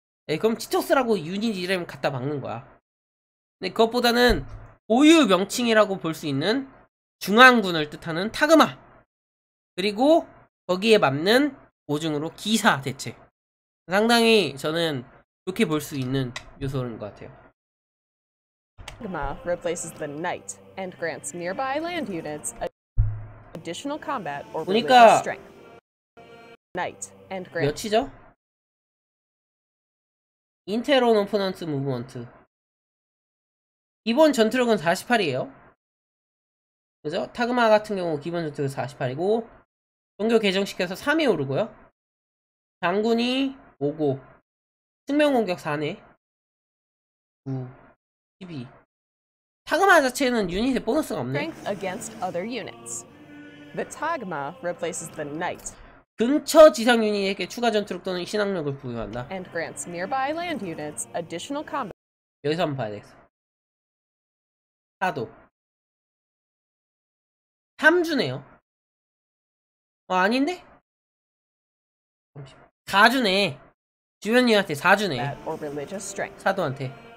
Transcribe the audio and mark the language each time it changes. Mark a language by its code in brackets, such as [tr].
[ko] 네, 그럼 치토스라고 유닛 이름 갖다 박는 거야. 근데 그것보다는 고유 명칭이라고 볼 수 있는 중앙군을 뜻하는 타그마, 그리고 거기에 맞는 고증으로 기사 대체, 상당히 저는 좋게 볼 수 있는 요소인 것 같아요. [en] Taguma replaces the knight and grants nearby land units additional combat or religious strength. Knight and grant. [ko] 몇이죠? 인테론 오퍼넌트 무브먼트. 기본 전투력은 48이에요. 그죠? 타그마 같은 경우 기본 전투력 48이고, 종교 개정시켜서 3에 오르고요. 장군이 5고, 숙명공격 4네. 9, 12. 타그마 자체는 유닛에 보너스가 없네. [en] Strength against other units. The Taguma replaces the knight. [ko] 근처 지상 유닛에게 추가 전투력 또는 신앙력을 부여한다. [en] And grants nearby land units additional combat. [ko] 여기서 한번 봐야 되겠어. 4도. 3주네요. 어, 아닌데? 4주네. 주변인한테 4주네. 사도한테.